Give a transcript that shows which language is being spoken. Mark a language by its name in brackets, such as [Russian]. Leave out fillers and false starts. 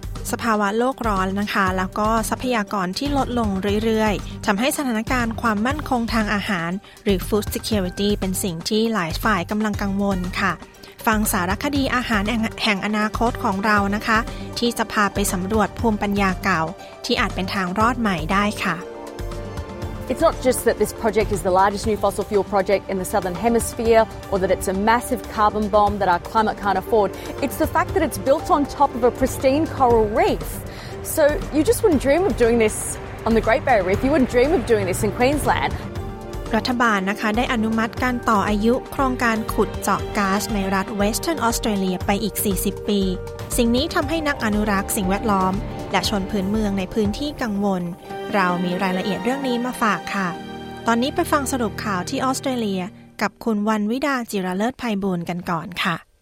[Thai] สภาวะโลกร้อนนะคะแล้วก็ทรัพยากรที่ลดลงเรื่อยๆทำให้สถานการณ์ความมั่นคงทางอาหารหรือ food security เป็นสิ่งที่หลายฝ่ายกำลังกังวลค่ะฟังสารคดีอาหารแห่งอนาคตของเรานะคะที่จะพาไปสำรวจภูมิปัญญาเก่าที่อาจเป็นทางรอดใหม่ได้ค่ะ [English] It's not just that this project is the largest new fossil fuel project in the southern hemisphere or that it's a massive carbon bomb that our climate can't afford it's the fact that it's built on top of a pristine coral reef so you just wouldn't dream of doing this on the Great Barrier Reef you wouldn't dream of doing this in Queensland [Thai] รัฐบาลนะคะได้อนุมัติการต่ออายุโครงการขุดเจาะก๊าซในรัฐเวสเทิร์นออสเตรเลียไปอีก40ปีสิ่งนี้ทำให้นักอนุรักษ์สิ่งแวดล้อมและชนพื้นเมืองในพื้นที่กังวลเรามีรายละเอียดเรื่องนี้มาฝากค่ะตอนนี้ไปฟังสรุปข่าวที่ออสเตรเลียกับคุณวรรณวิดาจิรเลิศไพบูลย์กันก่อนค่ะ